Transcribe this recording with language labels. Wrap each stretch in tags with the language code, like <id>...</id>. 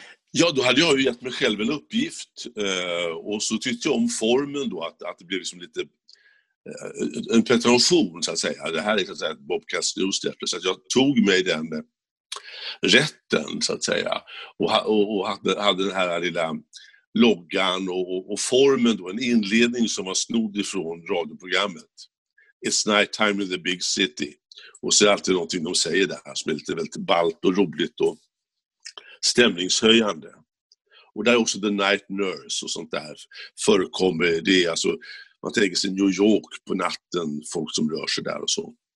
<sv>Ja, då hade jag ju gett mig själv en uppgift, och så tyckte jag om formen då, att det blev liksom lite en pretension så att säga. Det här är så att säga ett Bobcats newsletter, så att jag tog mig den rätten så att säga, och hade den här lilla loggan och formen då, en inledning som var snodd ifrån radioprogrammet.</sv> <en>It's night time in the big city.</en> <sv>Och så är det alltid någonting de säger där som är lite väldigt ballt och roligt och stämningshöjande. Och där är också The Night Nurse och sånt där förekommer. Det är alltså, man tänker sig New York på natten, folk som rör sig där och så.</sv>